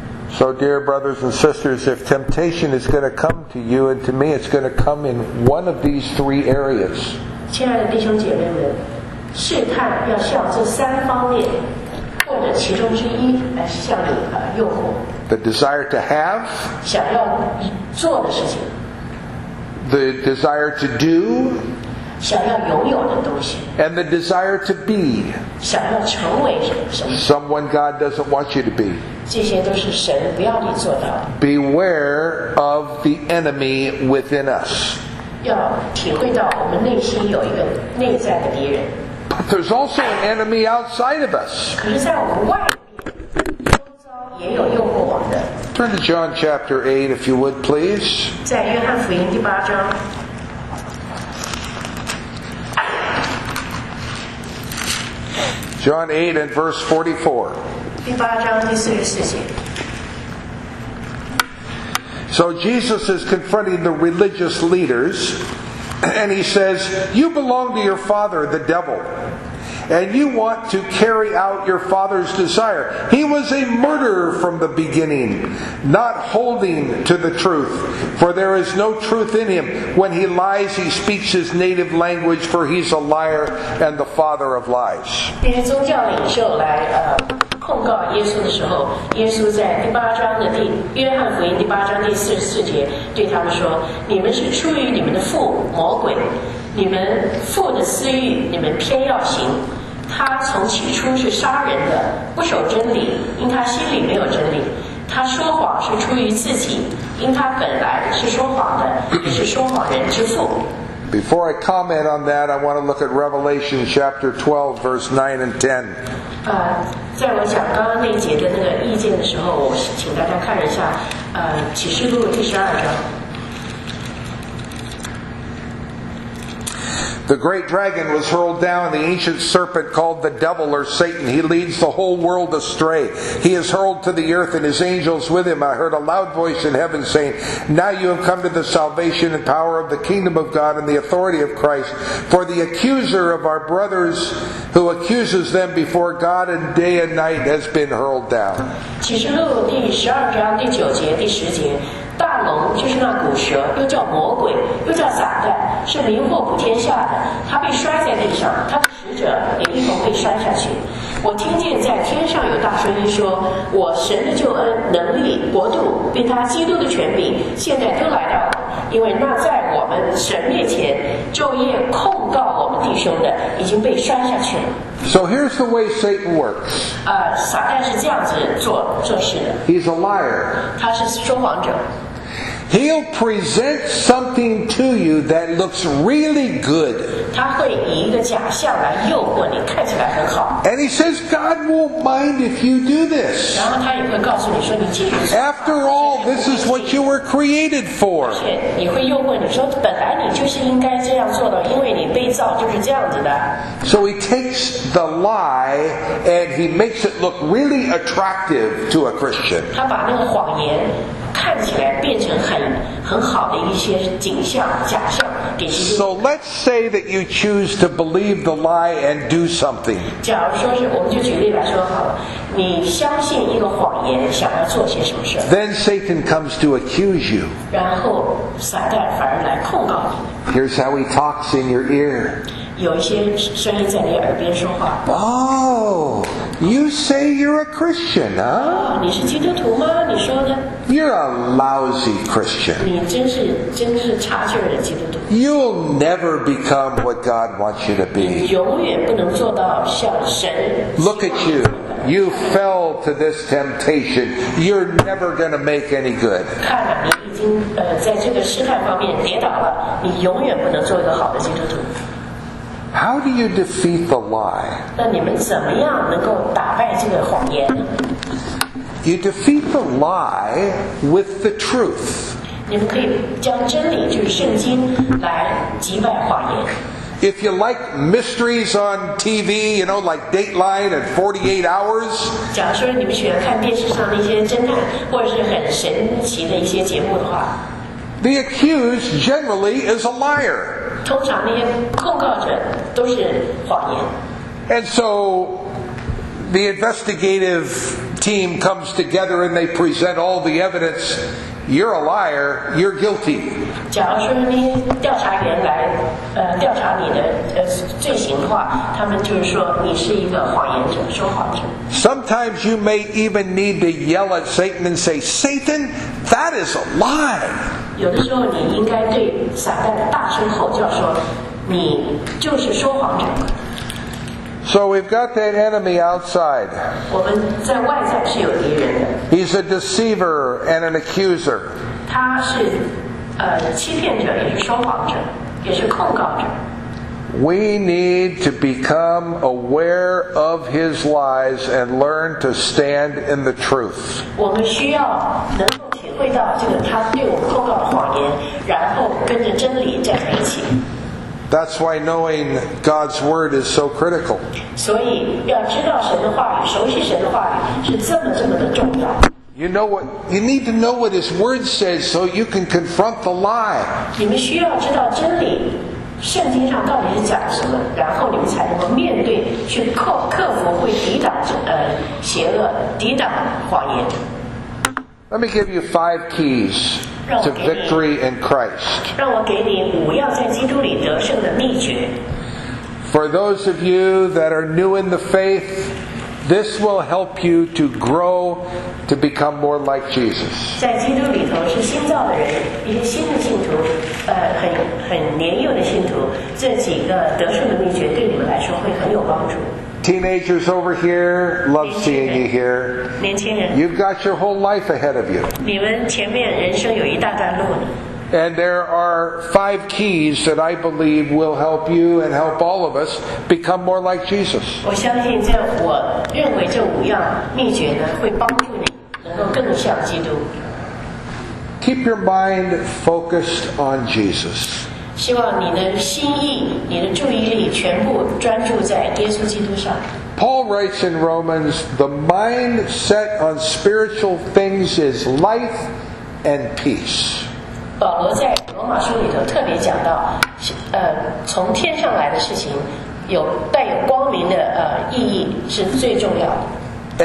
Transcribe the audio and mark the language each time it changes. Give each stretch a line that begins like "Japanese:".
English: So dear brothers and sisters, if temptation is going to come to you and to me, it's going to come in one of these three areas.
Chinese: 亲爱的弟兄姐妹们，试探要向这三方面或者其中之一来向你诱惑。
English: The desire to have,
Chinese: 想要做的事情。
English: The desire to do,
Chinese: 想要拥有的东西。
English: And the desire to be,
Chinese: 想要成为什么。
English: Someone God doesn't want you to be.
Chinese: 这些都是神不要你做到。
English: Beware of the enemy within us.
Chinese: 要体会到我们内心有一个内在的敌人。
English: But there's also an enemy outside of us.
Chinese: 可是在我们外面，周遭也有诱惑我们的。
English: Turn to John chapter 8 if you would please.
Chinese: 在约翰福音第八章。
English: John 8 and verse 44.
Chinese: 第八章第四十四节。
English: So Jesus is confronting the religious leaders. And he says, you belong to your father, the devil. And you want to carry out your father's desire. He was a murderer from the beginning, not holding to the truth. For there is no truth in him. When he lies, he speaks his native language, for he's a liar and the father of lies.
Chinese: 宗教领袖来控告耶稣的时候，耶稣在第八章的约翰福音第八章第四十四节对他们说，你们是出于你们的父魔鬼，你们父的私欲你们偏要行，他从起初是杀人的，不守真理，因他心里没有真理，他说谎是出于自己，因他本来是说谎的，也是说谎人之父。
English: Before I comment on that, I want to look at Revelation chapter 12, verse 9 and 10.
Chinese: 在我讲刚刚那一节的那个意见的时候，我请大家看一下，启示录第十二章。
English: The great dragon was hurled down, the ancient serpent called the devil or Satan. He leads the whole world astray. He is hurled to the earth and his angels with him. I heard a loud voice in heaven saying, Now you have come to the salvation and power of the kingdom of God and the authority of Christ. For the accuser of our brothers who accuses them before God and day and night has been hurled down.
Chinese: 启示录第十二章第九节第十节。大龙就是那古蛇，又叫魔鬼，又叫撒旦，是迷惑普天下的。他被摔在地上，他的使者也一同被摔下去。我听见在天上有大声音说：“我神的救恩、能力、国度，并他基督的权柄，现在都来到了。因为那在我们神面前昼夜控告我们弟兄的，已经被摔下去了。”
English: So here's the way Satan works.
Chinese: 撒旦是这样子做事的。
English: He's a liar.
Chinese: 他是说谎者。
English: He'll present something to you that looks really good.
Chinese: 他会以一个假象来诱惑你，看起来很好。
English: And he says, God won't mind if you do this.
Chinese: 然后他也会告诉你说，你记住。
English: After all, this is what you were created for.
Chinese: 你会诱惑你说，本来你就是应该这样做的，因为你被造就是这样子的。
English: So he takes the lie and he makes it look really attractive to a Christian.
Chinese: 他把那个谎言看起来变成很好的一些景象假象给。
English: So let's say that you choose to believe the lie and do something.
Chinese: 假如说是，我们就举例来说好了，你相信一个谎言，想要做些什么事。
English: Then Satan comes to accuse you.
Chinese: 然后撒旦反而来控告你。
English: Here's how he talks in your ear.
Chinese: 有一些声音在你耳边说话。
English: Oh, you say you're a Christian, huh?
Chinese: 你是基督徒吗？你说的。
English: You're a lousy Christian.
Chinese: 你真是差劲的基督徒。
English: You'll never become what God wants you to be.
Chinese: 你永远不能做到像神。
English: Look at you. You fell to this temptation. You're never going to make any good.
Chinese: 看了，你已经在这个试探方面跌倒了，你永远不能做一个好的基督徒。
English: How do you defeat the lie?
Chinese: 那你们怎么样能够打败这个谎言呢？
English: You defeat the lie with the truth.
Chinese: 你们可以将真理，就是圣经，来击败谎言。
English: If you like mysteries on TV, you know, like Dateline and 48 Hours.
Chinese: 假如说你们喜欢看电视上的一些侦探，或者是很神奇的一些节目的话
English: ，The accused generally is a liar.
Chinese: 通常那些控告者都是谎言。
English: And so, the investigative team comes together and they present all the evidence. You're a liar. You're guilty.
Chinese: 假如说那些调查员来调查你的罪行的话，他们就是说你是一个谎言者，说谎者。
English: Sometimes you may even need to yell at Satan and say, "Satan, that is a lie."
Chinese: 有的时候你应该对撒旦大声吼叫说，你就是说谎者。
English: So we've got that enemy outside.
Chinese: 我们在外在是有敌人的。
English: He's a deceiver and an accuser.
Chinese: 他是欺骗者，也是说谎者，也是控告者。
English: We need to become aware of his lies and learn to stand in the truth.
Chinese: 我们需要能够体会到这个他对我们控告的谎言，然后跟着真理站在一起。
English: That's why knowing God's word is so critical.
Chinese: 所以要知道神的话语，熟悉神的话语是这么这么的重要。
English: You know what? You need to know what His word says so you can confront the lie.
Chinese: 你们需要知道真理，圣经上到底是讲什么，然后你们才能够面对去克服，会抵挡邪恶，抵挡谎言。
English: Let me give you five keys to victory in Christ.
Chinese: 让我给你五要在基督里得胜的秘诀。
English: For those of you that are new in the faith, this will help you to grow to become more like Jesus.
Chinese: 在基督里头是新造的人，一些新的信徒，很年幼的信徒，这几个得胜的秘诀对你们来说会很有帮助。
English: Teenagers over here, love seeing you here.
Chinese: 年轻人
English: you've got your whole life ahead of you.
Chinese: 你们前面人生有一大段路呢。
English: And there are five keys that I believe will help you and help all of us become more like Jesus.
Chinese: 我相信这，我认为这五样秘诀呢，会帮助你能够更像基督。
English: Keep your mind focused on Jesus.
Chinese: 希望你的心意，你的注意力全部专注在耶稣基督上。
English: Paul writes in Romans, the mind set on spiritual things is life and peace.
Chinese: 保罗在罗马书里头特别讲到，从天上来的事情有带有光明的意义是最重要的。